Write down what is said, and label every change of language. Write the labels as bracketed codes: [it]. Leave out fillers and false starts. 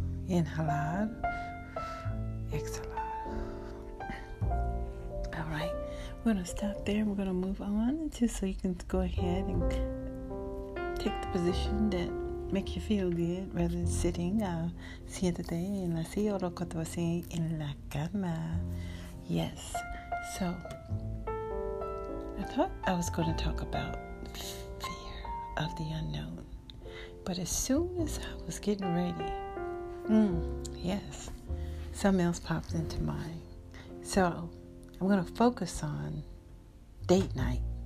[es] Inhalar, exhalar. [en] All right, we're going to stop there. We're going to move on just so you can go ahead and take the position that make you feel good rather than sitting. [es] Siéntate en la silla o lo que tú haces en la cama. [en] Yes. So, I thought I was going to talk about fear of the unknown. But as soon as I was getting ready, yes, something else popped into mind. So, I'm going to focus on date night.